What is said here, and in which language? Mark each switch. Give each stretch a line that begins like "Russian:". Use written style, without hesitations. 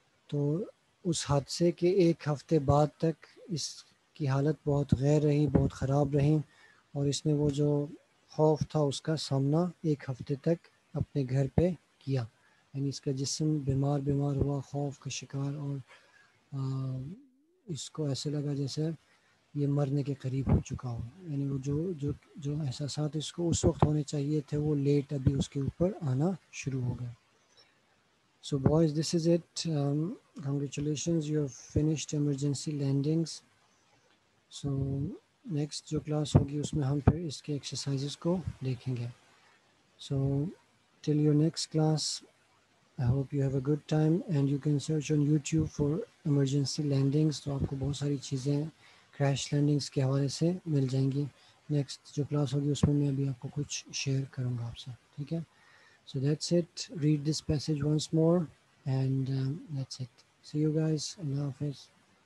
Hindi: तो उस हादसे के एक हफ्ते बाद तक इसकी हालत बहुत गैर रही, बहुत ख़राब रही, और इसने वो जो खौफ था उसका सामना एक हफ्ते तक अपने घर पे किया, यानी इसका जिस्म बीमार हुआ खौफ का शिकार, और इसको ऐसे लगा जैसे ये मरने के करीब हो चुका हो, यानी वो जो एहसासात इसको उस वक्त होने चाहिए थे वो लेट अभी उसके ऊपर आना शुरू हो गया।
English: So boys this is it, congratulations, you have finished emergency landings.
Hindi: So next जो क्लास होगी उसमें हम फिर इसके एक्सरसाइजेस को देखेंगे।
English: So till your next class, I hope you have a good time, and you can search on YouTube for emergency landings.
Hindi: तो आपको बहुत सारी चीज़ें crash landings के हवाले से मिल जाएंगी। Next जो class होगी उसमें मैं अभी आपको कुछ share करूँगा आपसे, ठीक है?
English: So that's it. Read this passage once more, and that's it. See you guys. Allah Hafiz.